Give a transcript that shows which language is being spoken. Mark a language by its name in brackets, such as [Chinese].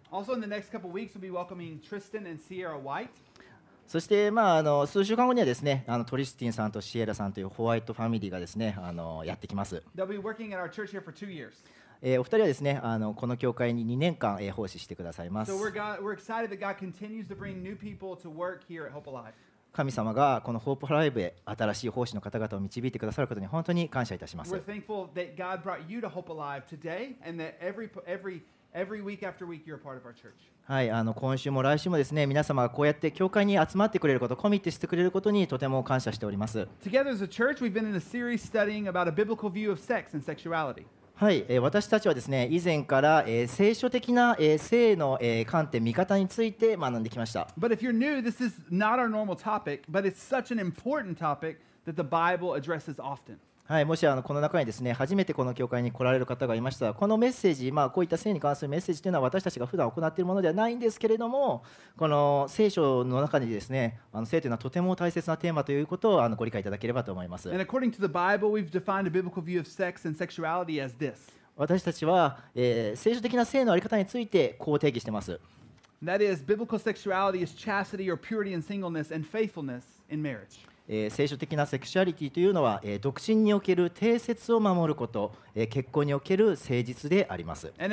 [English] Also in the next couple of weeks, we'll be welcoming Tristan and Sierra White. [Japanese] そして、数週間後にはですね、トリスティンさんとシエラさんというホワイトファミリーがですね、やってきます。 [English] They'll be working at our church here for two years. [Japanese] お二人はですね、この教会に2年間、奉仕してくださいます。 [English] So we're excited that God continues to bring new people to work here at Hope Alive. [Japanese] 神様がこのホープライブへ新しい奉仕の方々を導いてくださることに本当に感謝いたします。 [English] We're thankful that God brought you to Hope Alive today and that every week after week you're part of our church. [Japanese] はい、今週も来週もですね、皆様がこうやって教会に集まってくれること、コミットしてくれることにとても感謝しております。 [English] Together as a church, we've been in a series studying about a biblical view of sex and sexuality. [Japanese] はい、私たちはですね、以前から、聖書的な、性の、観点、見方について学んできました。 [English] But if you're new, this is not our normal topic, but it's such an important topic that the Bible addresses often. [Japanese] はい、もしこの中にですね、初めてこの教会に来られる方がいましたら、このメッセージ、こういった性に関するメッセージというのは私たちが普段行っているものではないんですけれども、この聖書の中にですね、性というのはとても大切なテーマということをご理解いただければと思います。 [English] And according to the Bible, we've defined a biblical view of sex and sexuality as this. [Japanese] 私たちは、聖書的な性のあり方についてこう定義しています。 [English] That is, biblical sexuality is chastity or purity and singleness and faithfulness in marriage. [Japanese] 聖書的なセクシュアリティというのは、独身における定節を守ること、結婚における誠実であります。